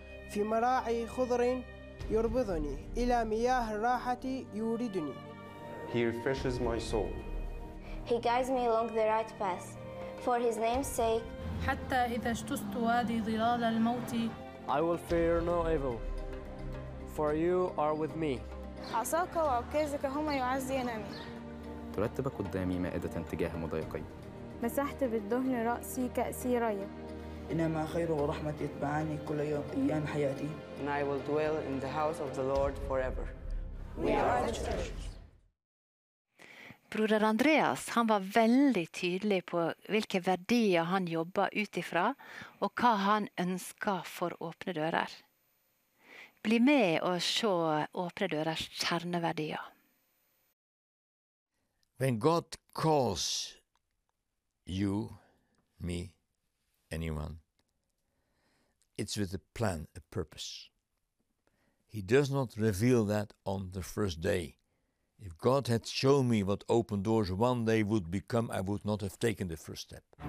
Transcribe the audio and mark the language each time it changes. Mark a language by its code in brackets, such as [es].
[ar] في مراعي خضر يربضني إلى مياه الراحة يوردني [en] He refreshes my soul He guides me along the right path For his name's sake [ar] حتى إذا اشتست وادي ظلال الموت [en] I will fear no evil For you are with me [ar] عصاك وعكازك هما يعزينني ترتب قدامي مائدة تجاه مضايقي مسحت بالدهن رأسي كأسي ريا إنما خير ورحمة يتبعاني كل يوم أيام حياتي. [en] And I will dwell in the house of the Lord forever. We are the church. [no] Broder Andreas, han var veldig tydelig på hvilke verdier han jobbet utifra, og hva han ønsket for åpne dører. Bli med og se åpne dørers kjerneverdier. [en] When God calls you, me, anyone, it's with a plan, a purpose. He does not reveal that on the first day. If God had shown me what open doors one day would become, I would not have taken the first step.